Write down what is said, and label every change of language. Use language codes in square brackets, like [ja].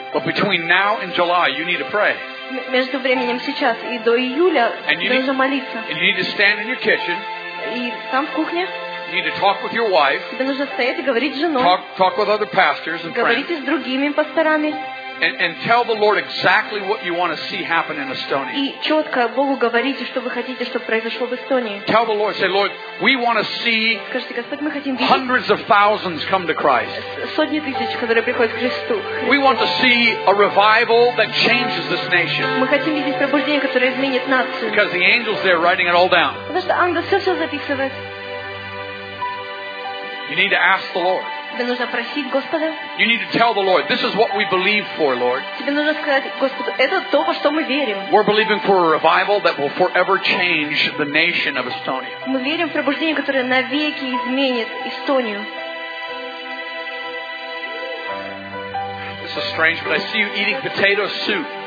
[en] But between now and July, you need to pray. [ru] между временем сейчас и до июля нужно молиться. [en] And you need to stand in your kitchen. [ru] И там в кухне. [en] You need to talk with your wife. [ru] Тебе нужно стоять и говорить с женой. [en] Talk with other pastors and friends. [ru] Говорите с другими пасторами. [en] And tell the Lord exactly what you want to see happen in Estonia. [ru] И четко Богу говорите, что вы хотите, чтобы произошло в Эстонии. [en] Tell the Lord, say, Lord, we want to see hundreds of thousands come to Christ. [ru] Сотни тысяч, которые приходят к Христу. [en] We want to see a revival that changes this nation. [ru] Мы хотим видеть пробуждение, которое изменит нацию. [en] Because the angels there writing it all down. [ru] Потому что ангел все записывает. [en] You need to ask the Lord. [ru] Тебе нужно просить Господа. [en] You need to tell the Lord, this is what we believe for, Lord. [ru] Тебе нужно сказать Господу, это то, во что мы верим. [en] We're believing for a revival that will forever change the nation of Estonia. [ru] Мы верим в пробуждение, которое навеки изменит Эстонию. [en] This is strange, but I see you eating potato soup.